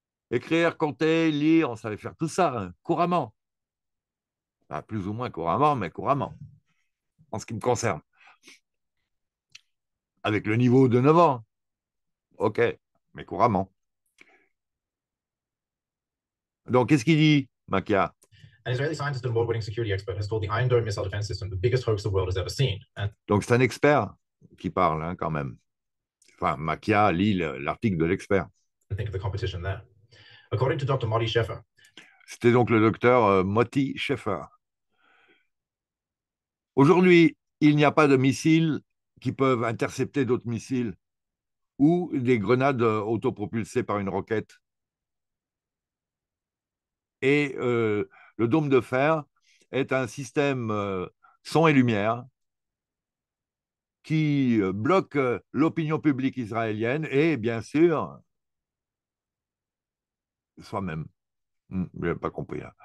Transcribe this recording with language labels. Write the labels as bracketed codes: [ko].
[fr] Écrire, compter, lire, on savait faire tout ça, hein, couramment. Enfin, plus ou moins couramment, mais couramment, en ce qui me concerne. Avec le niveau de 9 ans. OK, mais couramment. Donc, qu'est-ce qu'il dit, Makia? [en] An Israeli scientist and award-winning security expert has called the Iron Dome missile defense system the biggest hoax the world has ever seen. And [fr] Donc, c'est un expert qui parle, hein, quand même. Enfin, Makia lit l'article de l'expert. [en] think of the competition there. According to Dr. Marty Sheffer, [fr] C'était donc le docteur Moti Schaeffer. Aujourd'hui, il n'y a pas de missiles qui peuvent intercepter d'autres missiles ou des grenades autopropulsées par une roquette. Et le dôme de fer est un système son et lumière qui bloque l'opinion publique israélienne et bien sûr soi-même. Je n'ai pas compris.